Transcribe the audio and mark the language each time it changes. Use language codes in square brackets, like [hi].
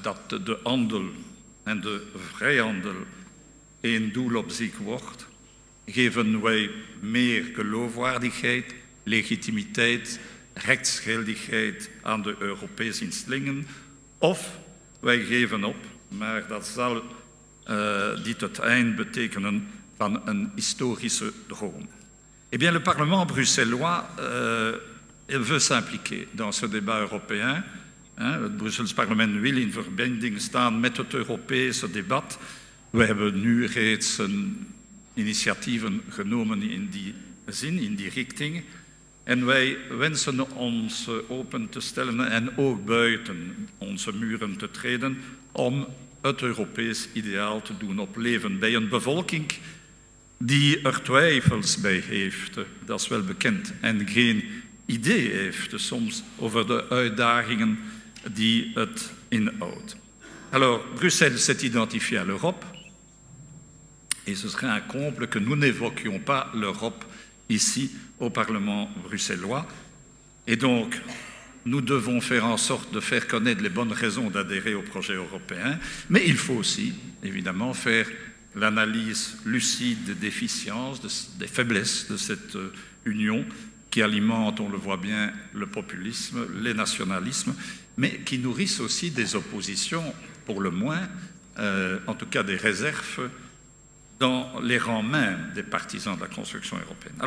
[nl] de handel en de vrijhandel een doel op zich wordt, geven wij meer geloofwaardigheid, legitimiteit, rechtsgeldigheid aan de Europese instellingen, of wij geven op, maar dat zal dit het eind betekenen van een historische droom. [fr] Eh bien, le Parlement bruxellois veut s'impliquer dans ce débat européen. [nl] Het Brusselse parlement wil in verbinding staan met het Europese debat. We hebben nu reeds initiatieven genomen in die zin, in die richting. En wij wensen ons open te stellen en ook buiten onze muren te treden om het Europees ideaal te doen opleven bij een bevolking die er twijfels bij heeft, dat is wel bekend, en geen idee heeft soms over de uitdagingen die het inhoudt. [fr] Alors, Bruxelles s'est identifié à l'Europe, et ce serait un comble que nous n'évoquions pas l'Europe ici au Parlement bruxellois. Et donc, nous devons faire en sorte de faire connaître les bonnes raisons d'adhérer au projet européen, mais il faut aussi, évidemment, faire l'analyse lucide des déficiences, des faiblesses de cette union qui alimente, on le voit bien, le populisme, les nationalismes, mais qui nourrissent aussi des oppositions, pour le moins, en tout cas des réserves, dans les rangs même des partisans de la construction européenne.